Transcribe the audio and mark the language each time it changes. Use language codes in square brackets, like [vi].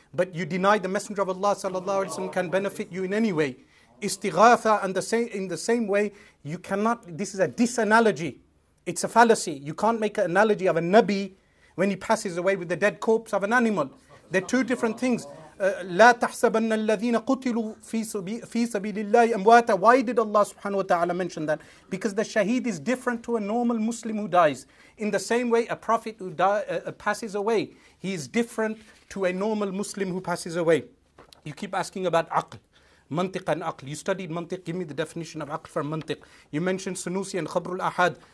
[en] But you deny the Messenger of Allah sallallahu alaihi wasallam can benefit you in any way. Istighatha, and in the same way, you cannot, this is a disanalogy. It's a fallacy. You can't make an analogy of a Nabi when he passes away with the dead corpse of an animal. They're two different things. [ar] لا تحسبن الذين قتلوا في سبيل الله أمواتا. [en] Why did Allah subhanahu wa ta'ala mention that? Because the shaheed is different to a normal Muslim who dies. In the same way, a prophet who passes away, he is different to a normal Muslim who passes away. You keep asking about aql, mantiq and aql. You studied mantiq. Give me the definition of aql for mantiq. You mentioned Sanusi and Khabrul Ahad.